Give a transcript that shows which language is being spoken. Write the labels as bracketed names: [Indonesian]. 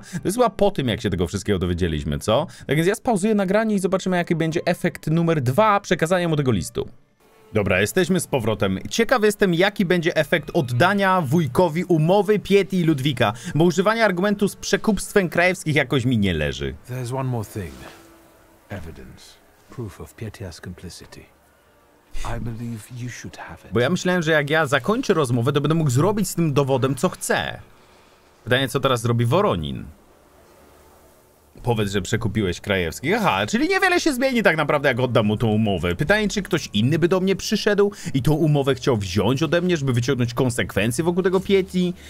[Polish] To jest chyba po tym, jak się tego wszystkiego dowiedzieliśmy, co? Tak więc ja spauzuję nagranie i zobaczymy, jaki będzie efekt numer 2 przekazania mu tego listu. Dobra, jesteśmy z powrotem. Ciekaw jestem, jaki będzie efekt oddania wujkowi umowy Pieti i Ludwika, bo używanie argumentu z przekupstwem Krajewskich jakoś mi nie leży. [English] There's one more thing. Evidence. Proof of Pietia's complicity. I believe you should have it. [Polish] Bo ja myślałem, że jak ja zakończę rozmowę, to będę mógł zrobić z tym dowodem, co chcę. Pytanie, co teraz zrobi Woronin? powiedz, że przekupiłeś Krajewski. Aha, czyli niewiele się zmieni tak naprawdę, jak oddam mu tą umowę. Pytanie, czy ktoś inny by do mnie przyszedł i tą umowę chciał wziąć ode mnie, żeby wyciągnąć konsekwencje wokół tego pieci?